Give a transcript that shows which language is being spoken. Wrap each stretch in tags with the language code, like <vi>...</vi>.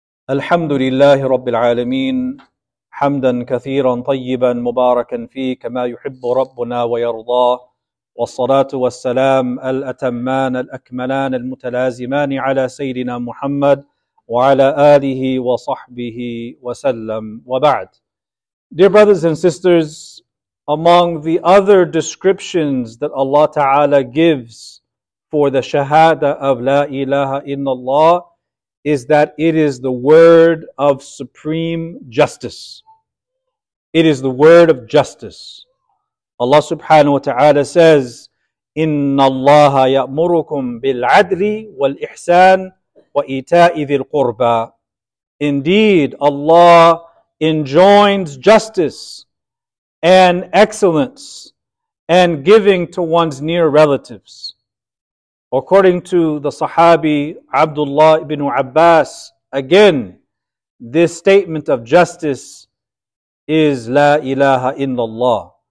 <ar>الحمد لله رب العالمين حمدا كثيرا طيبا مباركا فيه كما يحب ربنا ويرضاه والصلاة والسلام الأتمان الأكملان المتلازمان على سيدنا محمد وعلى آله وصحبه وسلم وبعد.</ar> <en>Dear brothers and sisters, among the other descriptions that Allah Ta'ala gives for the shahada of La ilaha illallah is that it is the word of supreme justice. It is the word of justice.</en> <ar>Allah subhanahu wa ta'ala says, إِنَّ اللَّهَ يَأْمُرُكُمْ بِالْعَدْلِ وَالْإِحْسَانِ وَإِيْتَاءِ ذِي الْقُرْبَى.</ar> <en>Indeed, Allah enjoins justice and excellence and giving to one's near relatives. According to the Sahabi Abdullah ibn Abbas, again, this statement of justice is La ilaha illallah.</en>